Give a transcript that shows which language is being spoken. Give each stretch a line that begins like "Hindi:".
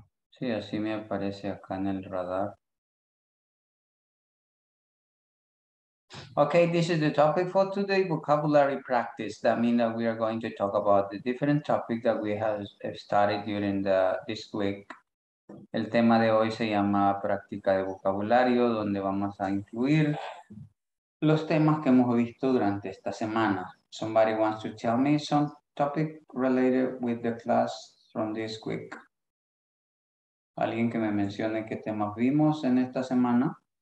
Spanish: Sí, así me aparece acá en el radar.
English: Okay, this is the topic for today, vocabulary practice. That means that we are going to talk about the different topics that we have studied during this week.
Spanish: El tema de hoy se llama práctica de vocabulario, donde vamos a incluir los temas que hemos visto durante esta semana.
English: Somebody wants to tell me some topic related with the class from this week.
Spanish: Alguien que me mencione qué temas vimos en esta semana.